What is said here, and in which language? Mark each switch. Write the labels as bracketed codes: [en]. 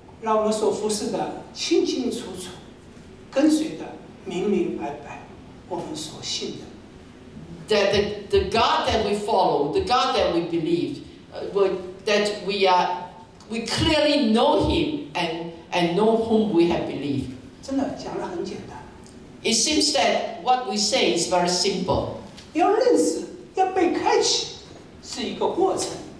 [zh] 让我们所服侍的清清楚楚，跟随的明明白白，我们所信的。 [en] That the God that we follow, the God that we believe, that we clearly know Him and know whom we have believed. [zh] 真的讲得很简单。 [en] It seems that what we say is very simple. [zh] 要认识，要被开启，是一个过程。